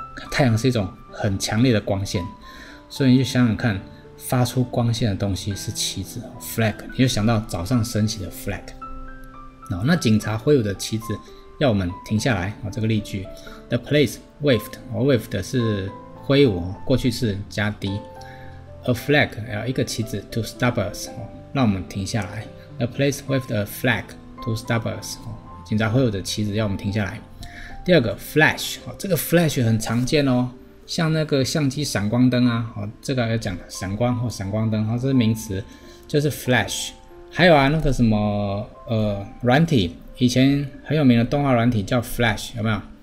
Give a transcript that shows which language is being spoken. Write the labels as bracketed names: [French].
[Chinese] 太阳是一种很强烈的光线，所以你就想想看，发出光线的东西是旗子 flag， 你就想到早上升旗的 flag。那警察挥舞的旗子要我们停下来，这个例句 [English] The police waved， [Chinese] waved 是挥舞，过去式加 d， [English] A flag， [Chinese] 一个旗子， [English] to stop us， [Chinese] 让我们停下来。 [English] The police waved a flag to stop us， [Chinese] 警察挥舞的旗子要我们停下来。第二个 flash， 这个 flash 很常见哦，像那个相机闪光灯啊，这个要讲闪光或闪光灯，这是名词，就是 flash。还有啊，那个什么软体，以前很有名的动画软体叫 Flash， 有没有？